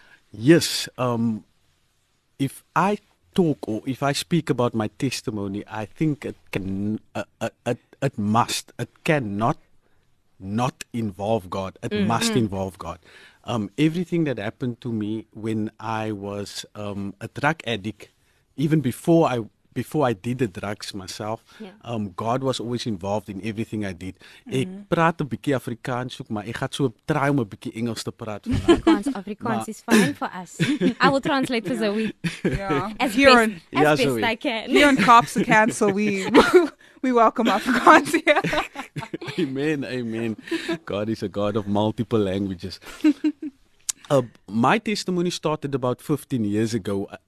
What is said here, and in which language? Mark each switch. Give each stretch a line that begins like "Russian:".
English: Yes, if I talk or if I speak about my testimony, I think it cannot not involve God. It must involve God. Everything that happened to me when I was a drug addict, even before I did the drugs myself, God was always involved in everything I did.
Afrikaans: Ek praat 'n bietjie Afrikaans, maar ek gaan so try om 'n bietjie Engels te praat.
English: Afrikaans is fine for us. I will translate for Zoe. As best I can. Here on Cops the Cancel, we welcome Afrikaans here. Amen. God is a God of multiple languages. My testimony started about 15 years ago.